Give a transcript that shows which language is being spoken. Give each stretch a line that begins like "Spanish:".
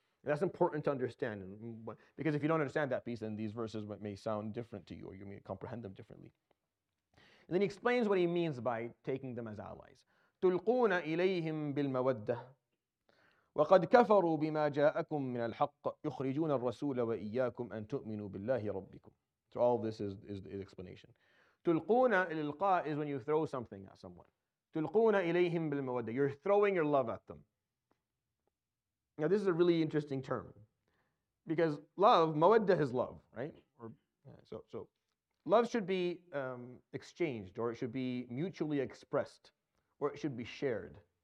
English: And that's important to understand. Because if you don't understand that piece, then these verses may sound different to you, or you may comprehend them differently. And then he explains what he means by taking them as allies.
Arabic: تُلْقُونَ إِلَيْهِمْ بِالْمَوَدَّةِ وَقَدْ كَفَرُوا بِمَا جَاءَكُمْ مِنَ الْحَقِّ يُخْرِجُونَ الرَّسُولَ وَإِيَّاكُمْ أَن تُؤْمِنُوا بِاللَّهِ رَبِّكُمْ.
English: So all this is the explanation. Tulquna ililqa is when you throw something at someone.
Arabic: Tulquna ilayhim bilmawadda.
English: You're throwing your love at them. Now, this is a really interesting term. Because love, mawadda is love, right? So love should be exchanged, or it should be mutually expressed, or it should be shared.